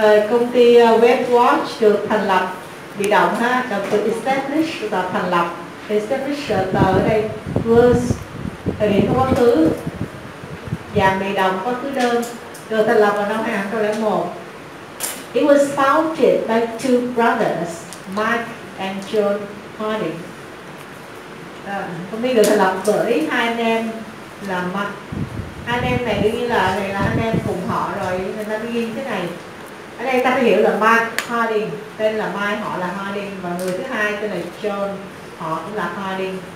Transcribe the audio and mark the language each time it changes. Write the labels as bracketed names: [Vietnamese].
[Vietnamese] Công ty WebWatch được thành lập, bị động ha, cần từ establish là thành lập. Establish là ở đây was, thời điểm quá khứ, dạng bị động quá khứ đơn, được thành lập vào năm 2001. [English] It was founded by two brothers, Mike and John Hardy. [Vietnamese] Công ty được thành lập bởi hai anh em là Mike. Hai anh em này đương nhiên là này là anh em cùng họ rồi, nên ta ghi thế này. Ở đây ta phải hiểu là Mike Harding, tên là Mike, họ là Harding, và người thứ hai tên là John, họ cũng là Harding.